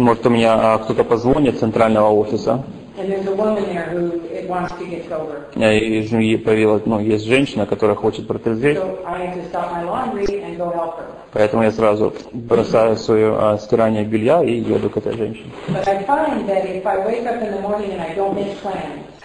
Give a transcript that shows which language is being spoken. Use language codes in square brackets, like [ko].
[ru] Может, у меня кто-то позвонит с центрального офиса. [en] And there's a woman there who it wants to get sober. [ru] И появилась, ну, есть женщина, которая хочет протрезветь. [en] So I have to stop my laundry and go help her. [ru] Поэтому я сразу бросаю свое стирание белья и еду к этой женщине. [en] But I find that if I wake up in the morning and I don't make plans.